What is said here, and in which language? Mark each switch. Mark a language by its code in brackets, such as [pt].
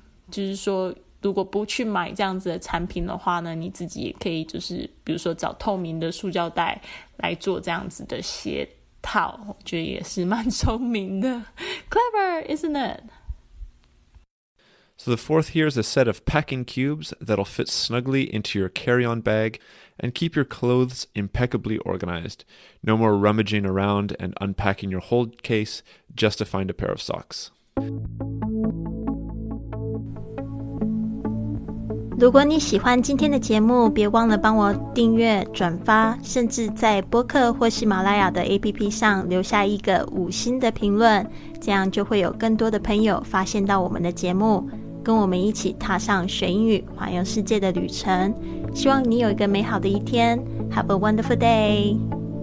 [zh] 就是说如果不去买这样子的产品的话呢你自己也可以就是比如说找透明的塑胶袋来做这样子的鞋套，我觉得也是蛮聪明的 [en] Clever, isn't it? So the fourth here is a set of packing cubes that'll fit snugly into your carry-on bag and keep your clothes impeccably organized. No more rummaging around and unpacking your whole case just to find a pair of socks. [zh] 如果你喜欢今天的节目，别忘了帮我订阅、转发，甚至在播客或喜马拉雅的 APP 上留下一个五星的评论，这样就会有更多的朋友发现到我们的节目，跟我们一起踏上学英语、环游世界的旅程。希望你有一个美好的一天 ， [en] Have a wonderful day!